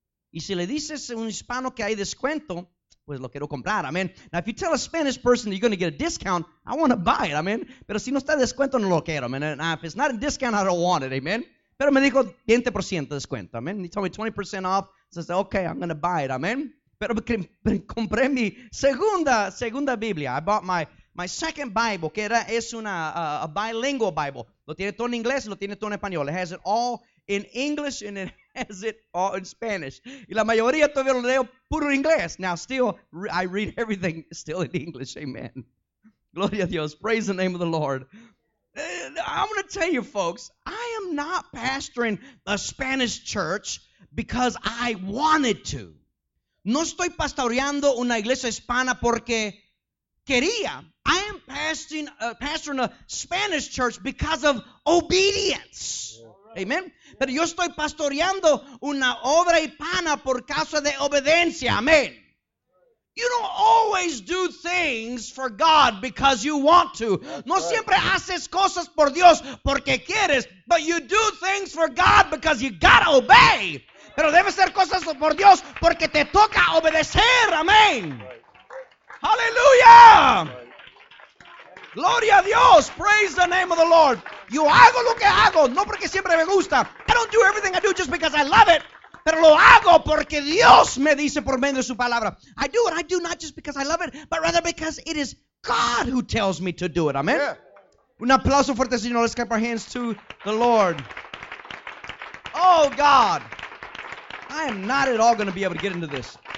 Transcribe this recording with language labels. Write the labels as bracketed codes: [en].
[es] Y si le dices a un hispano que hay descuento, pues lo quiero comprar, amen. [en] Now, if you tell a Spanish person that you're going to get a discount, I want to buy it, amen. [es] Pero si no está descuento, no lo quiero, amen. [en] And if it's not a discount, I don't want it, amen. [es] Pero me dijo 20% descuento, amen. [en] He told me 20% off. So I said, okay, I'm going to buy it, amen. [es] Pero compré mi segunda Biblia. [en] I bought my second Bible, [es] que es una bilingual Bible. Lo tiene todo en inglés y lo tiene todo en español. [en] It has it all in English and it has it all in Spanish. [es] Y la mayoría todavía lo leo puro inglés. [en] Now, still, I read everything still in English. Amen. [es] Gloria a Dios. [en] Praise the name of the Lord. I'm going to tell you, folks, I am not pastoring a Spanish church because I wanted to. [es] No estoy pastoreando una iglesia hispana porque quería. [en] I am pastoring a Spanish church because of obedience. Amen. [es] Pero yo estoy pastoreando una obra hispana por causa de obediencia. Amen. [en] You don't always do things for God because you want to. [es] No siempre haces cosas por Dios porque quieres, [en] but you do things for God because you gotta obey. [es] Pero debe ser cosas por Dios porque te toca obedecer. Amen. Hallelujah. Gloria a Dios. [en] Praise the name of the Lord. [es] Yo hago lo que hago, no porque siempre me gusta. [en] I don't do everything I do just because I love it. [es] Pero lo hago porque Dios me dice por medio de su palabra. [en] I do what I do not just because I love it, but rather because it is God who tells me to do it. Amen. Yeah. [es] Un aplauso fuerte, Señor. [en] Let's clap our hands to the Lord. Oh, God. I am not at all going to be able to get into this.